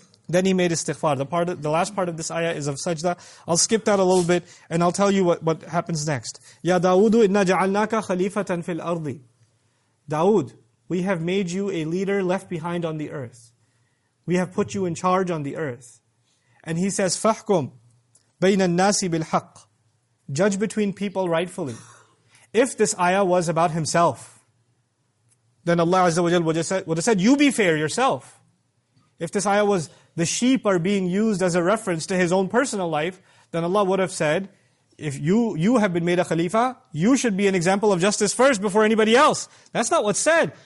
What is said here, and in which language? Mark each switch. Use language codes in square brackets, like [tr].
[en] Then he made istighfar. The last part of this ayah is of sajda. I'll skip that a little bit and I'll tell you what happens next. [ar] Ya Dawoodu inna ja'alnaka khalifatan fil ardi. [en] Dawood, we have made you a leader left behind on the earth. We have put you in charge on the earth. And he says, [ar] فَحْكُمْ بَيْنَ النَّاسِ بِالْحَقِّ. [en] Judge between people rightfully. If this ayah was about himself, then Allah Azza wa Jal would have said, you be fair yourself. If this ayah was, the sheep are being used as a reference to his own personal life, then Allah would have said, if you have been made a khalifa, you should be an example of justice first before anybody else. That's not what's said.